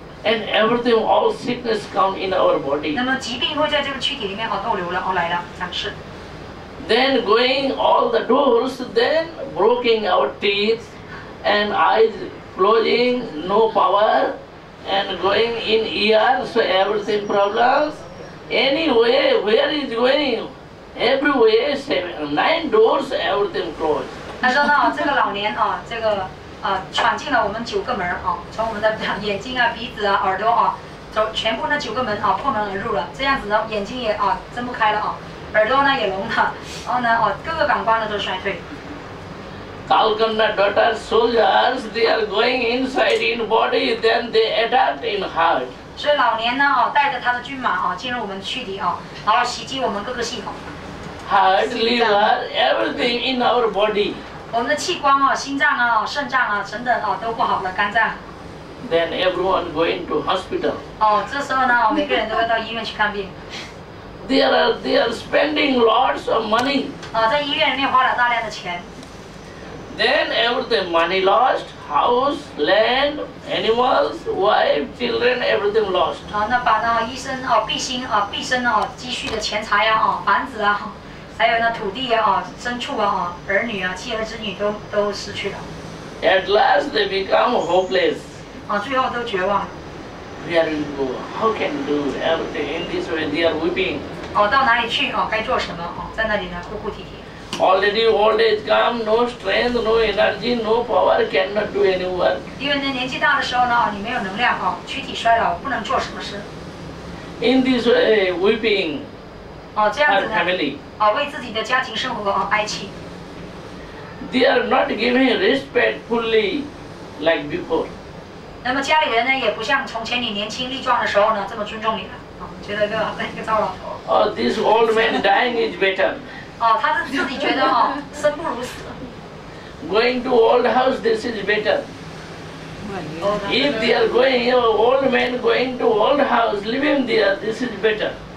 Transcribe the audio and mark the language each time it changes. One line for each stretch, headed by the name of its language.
English: And everything, all sickness come in our body.
Chinese: 那么疾病会在这个躯体里面啊逗留了啊来了展示。
English: Then going all the doors, then breaking our teeth and eyes closing, no power, and going in ears, so everything problems. Anyway, where is going? Everywhere, nine doors, everything closed.
Chinese: 他说呢，这个老年啊，这个闯进了我们九个门啊，从我们的眼睛啊、鼻子啊、耳朵啊，从全部那九个门啊破门而入了。这样子呢，眼睛也啊睁不开了啊，耳朵呢也聋了，然后呢各个感官呢都衰退。
English: Kalkana daughter soldiers, they are going inside in body, then they adapt in heart.
Chinese: 所以老年呢带着他的军马进入我们躯体然后袭击我们各个系统。
English: Heart, liver, everything in our body.
Chinese: 我们的器官心脏肾脏等等都不好了，肝脏。
English: Then everyone going to hospital.
Chinese: 这时候呢每个人都要到医院去看病。
English: They are spending lots of money.
Chinese: 在医院里面花了大量的钱。
English: Then everything, money lost, house, land, animals, wife, children, everything lost.
Chinese: 那把那医生毕生积蓄的钱财呀房子还有那土地牲畜儿女妻儿子女都失去了。
English: At last, they become hopeless.
Chinese: 最后都绝望。
English: Where you go? How can you do everything in this way? They are weeping.
Chinese: 到哪里去该做什么在那里呢？哭哭啼啼。
English: Already old age come, no strength, no energy, no power, cannot do any work.
Chinese: 因为年纪大的时候呢，你没有能量躯体衰老，不能做什么事。
English: In this way, weeping.
Chinese: 这样子呢。
English: Family.
Chinese: 为自己的家庭生活哀泣。
English: They are not giving respect fully, like before.
Chinese: 那么家里人呢，也不像从前你年轻力壮的时候呢，这么尊重你了。觉得一个糟老头。
English: This old man dying is better.
Chinese: 他是自己觉得生不如死。
English: Going to old house, this is better. If they are going, old man going to old house, living there, this is better.